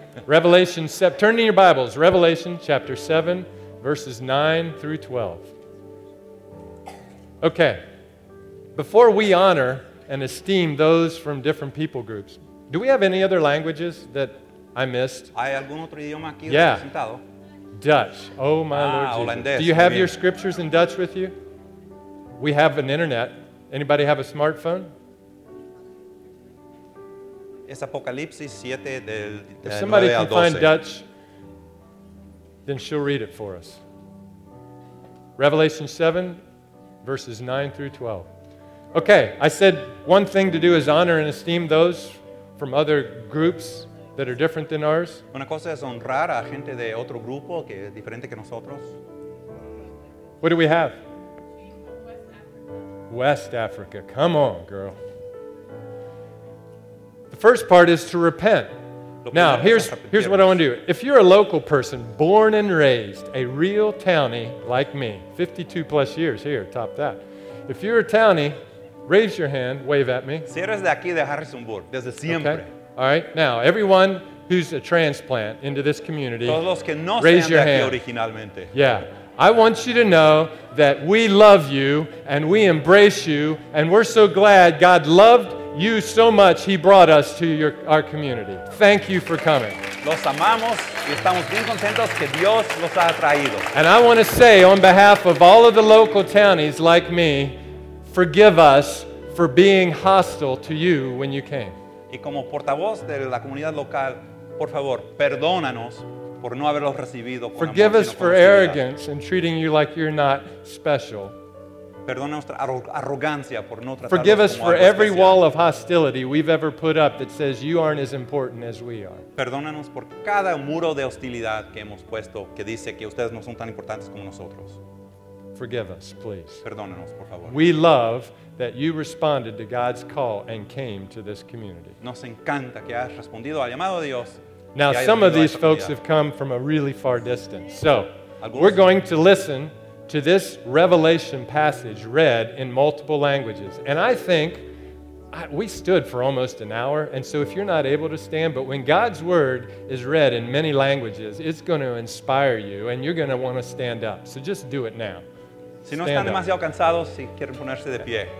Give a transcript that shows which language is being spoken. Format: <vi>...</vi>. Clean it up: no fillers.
<en>Revelation 7. Turn to your Bibles. Revelation chapter 7, verses 9 through 12. Okay. Before we honor and esteem those from different people groups, do we have any other languages that I missed?</en> <es>¿Hay algún otro idioma aquí representado?</es> <en>Dutch. Oh, my Lord Jesus.</en> <es>Holandés.</es> <en>Do you have your scriptures in Dutch with you? We have an internet. Anybody have a smartphone?</en> <es>Es Apocalipsis 7 del 9 al 12.</es> <en>If somebody can find Dutch, then she'll read it for us. Revelation 7, verses 9 through 12. Okay, I said one thing to do is honor and esteem those from other groups that are different than ours.</en> <es>Una cosa es honrar a gente de otro grupo que es diferente que nosotros.</es> <en>What do we have? West Africa. Come on, girl. The first part is to repent. Now, here's what I want to do. If you're a local person, born and raised, a real townie like me, 52 plus years here, top that. If you're a townie, raise your hand, wave at me.</en> <es>Si eres de aquí, de Harrisonburg, desde siempre.</es> <en>Okay. All right, now, everyone who's a transplant into this community,</en> <es>todos los que no</es> <en>raise your hand.</en> <es>Originalmente.</es> <en>Yeah. I want you to know that we love you and we embrace you and we're so glad God loved you so much He brought us to our community. Thank you for coming.</en> <es>Los amamos y estamos bien contentos que Dios los ha traído.</es> <en>And I want to say on behalf of all of the local townies like me, forgive us for being hostile to you when you came.</en> <es>Y como portavoz de la comunidad local, por favor, perdónanos por no haberlos recibido.</es> <en>Forgive us for arrogance and treating you like you're not special.</en> <es>Perdona nuestra arrogancia por no tratarlos.</es> <en>Forgive us for every wall of hostility we've ever put up that says you aren't as important as we are.</en> <es>Perdónanos por cada muro de hostilidad que hemos puesto que dice que ustedes no son tan importantes como nosotros.</es> <en>Forgive us, please.</en> <es>Perdónanos, por favor.</es> <en>We love that you responded to God's call and came to this community.</en> <es>Nos encanta que has respondido al llamado de Dios.</es> <en>Now, some of these folks have come from a really far distance. So, we're going to listen to this Revelation passage read in multiple languages. And I think we stood for almost an hour. And so, if you're not able to stand, but when God's word is read in many languages, it's going to inspire you and you're going to want to stand up. So, just do it now.</en> <es>Si no están demasiado cansados, si quieren ponerse de pie.</es>